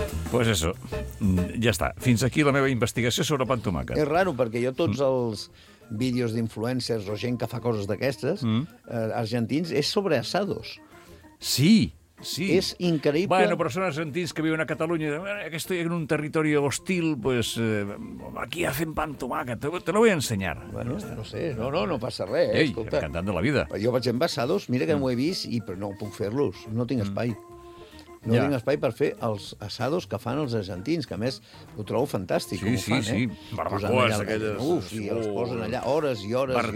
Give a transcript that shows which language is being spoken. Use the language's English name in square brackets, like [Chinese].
[Catalan] Pues eso, ja està. Fins aquí la meva investigació sobre pan tomàquet. És raro, perquè jo tots els vídeos d'influencers o gent que fa coses d'aquestes, argentins, és sobre assados. Sí, sí. És increïble. Bueno, però són argentins que viuen a Catalunya. [Spanish] Que estoy en un territori hostil, pues aquí hacen pan tomàquet. Te lo voy a enseñar. [Catalan] Bueno, no sé, no passa res. Ei, escolta, encantant de la vida. Jo vaig amb assados, mira que m'ho he vist, i però no puc fer-los, no tinc espai. No tinc espai per fer els assados que fan els argentins, que a més ho trobo fantàstic. Sí, com ho fan, sí. Barbacoes, aquelles... Uf, i els posen allà hores i hores vertical.